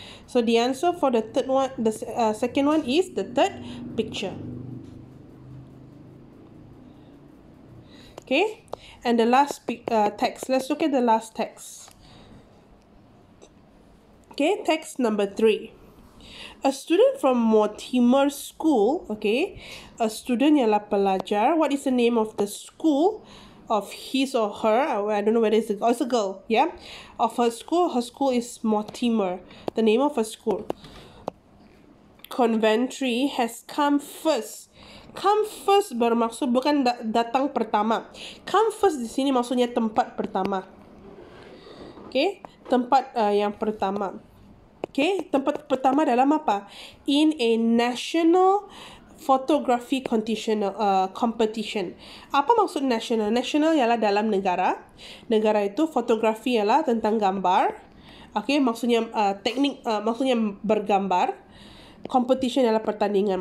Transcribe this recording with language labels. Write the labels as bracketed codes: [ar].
[en] So the answer for the third one, the second one is the third picture. Okay, and the last text. Let's look at the last text. Okay, text number three. A student from Mortimer School. Okay, a student ialah pelajar. What is the name of the school? Of his or her, I don't know whether it's a girl, yeah? Of her school is Mortimer, the name of her school. Conventry has come first. [ms] Come first bermaksud bukan datang pertama. Come first di sini maksudnya tempat pertama. Okay? Tempat yang pertama. Okay? Tempat pertama dalam apa? [en] In a national photography competition. [ms] Apa maksud national? National ialah dalam negara. Negara itu, fotografi ialah tentang gambar. Okay, maksudnya teknik, maksudnya bergambar. Competition ialah pertandingan.